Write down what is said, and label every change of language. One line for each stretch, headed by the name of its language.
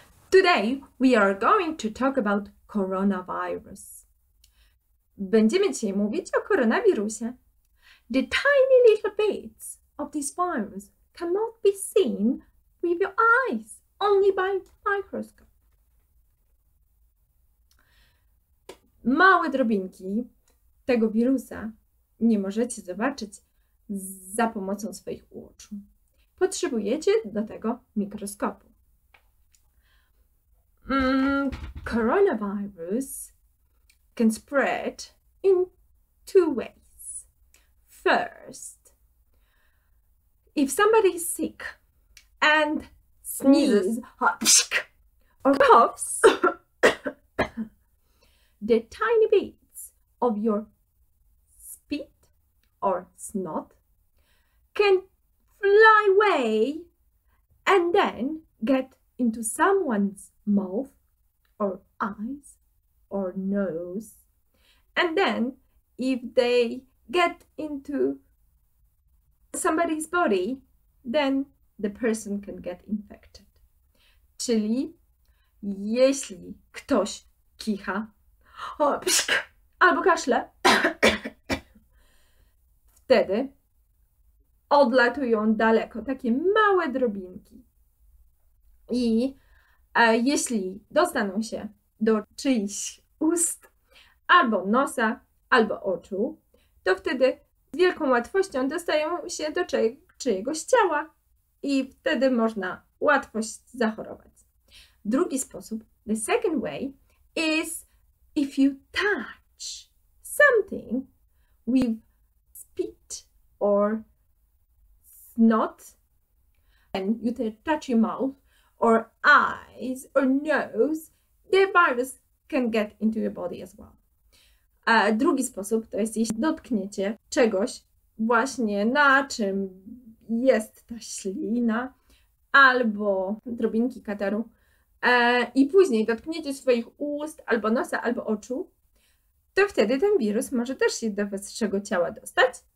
English: Today we are going to talk about coronavirus.
Polish: Będziemy dzisiaj mówić o koronawirusie.
English: The tiny little bits of this virus cannot be seen with your eyes, only by microscope.
Polish: Małe drobinki tego wirusa nie możecie zobaczyć za pomocą swoich oczu. Potrzebujecie do tego mikroskopu.
English: Coronavirus can spread in two ways. First, if somebody is sick and sneezes or coughs, the tiny bits of your spit or snot can fly away and then get into someone's mouth or eyes or nose. And then if they get into somebody's body, then the person can get infected.
Polish: Czyli jeśli ktoś kicha albo kaszle, wtedy odlatują daleko takie małe drobinki. I jeśli dostaną się do czyichś ust, albo nosa, albo oczu, to wtedy z wielką łatwością dostają się do czyjegoś ciała i wtedy można łatwo zachorować. Drugi sposób,
English: the second way, is if you touch something with spit or snot, and you touch your mouth or eyes or nose, the virus can get into your body as well.
Polish: A drugi sposób to jest, jeśli dotkniecie czegoś właśnie na czym jest ta ślina albo drobinki kataru i później dotkniecie swoich ust albo nosa albo oczu, to wtedy ten wirus może też się do waszego ciała dostać.